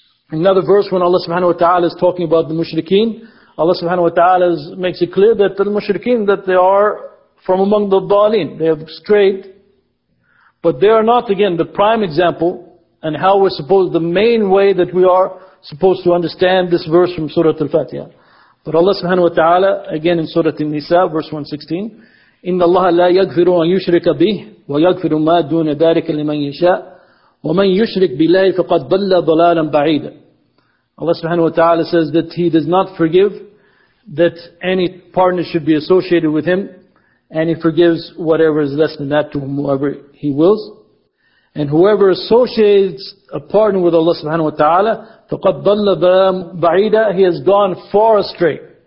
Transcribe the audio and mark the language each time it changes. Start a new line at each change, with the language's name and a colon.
English: Another verse when Allah subhanahu wa ta'ala is talking about the mushrikeen, Allah subhanahu wa ta'ala makes it clear that the mushrikeen, that they are from among the dhalin, they have strayed. But they are not, again, the prime example, and how we're supposed, the main way that we are supposed to understand this verse from Surah Al-Fatiha. But Allah subhanahu wa ta'ala, again in Surah An-Nisa, verse 116,
Arabic: إِنَّ اللَّهَ لَا يَغْفِرُ أَنْ يُشْرِكَ بِهِ وَيَغْفِرُ مَا دُونَ ذَلِكَ لِمَنْ يَشَاءُ وَمَنْ يُشْرِكْ بِاللَّهِ فَقَدْ ضَلَّ ضَلَالًا بَعِيدًا.
English: Allah subhanahu wa ta'ala says that He does not forgive that any partner should be associated with Him, and He forgives whatever is less than that to whoever He wills. And whoever associates a partner with Allah subhanahu wa ta'ala,
Arabic: فَقَدْ ضَلَّ بَعِيدًا,
English: he has gone far astray.